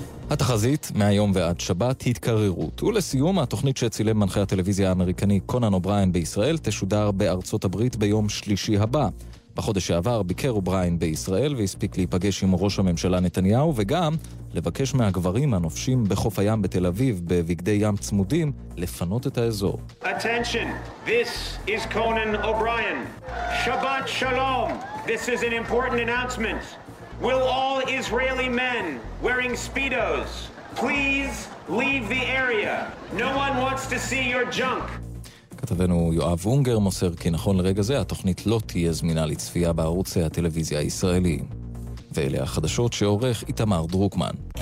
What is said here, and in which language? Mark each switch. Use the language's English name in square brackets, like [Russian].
[Hebrew] התחזית מהיום ועד שבת התקררות. ולסיום, התוכנית שצילם מנחה הטלוויזיה האמריקני קונן אובריין בישראל תשודר בארצות הברית ביום שלישי הבא. בחודש שעבר ביקר אובריין בישראל והספיק להיפגש עם ראש הממשלה נתניהו וגם לבקש מהגברים הנופשים בחוף הים בתל אביב בבגדי ים צמודים לפנות את האזור. [English] Attention, this is Conan O'Brien. Shabbat shalom. This is an important announcement. will all Israeli men wearing Speedos please leave the area? No one wants to see your junk. [Hebrew] כתבנו יואב אונגר מוסר כי נכון לרגע זה התוכנית לא תהיה זמינה לצפייה בערוץ הטלוויזיה הישראלי. ואלה החדשות שעורך איתמר דרוקמן.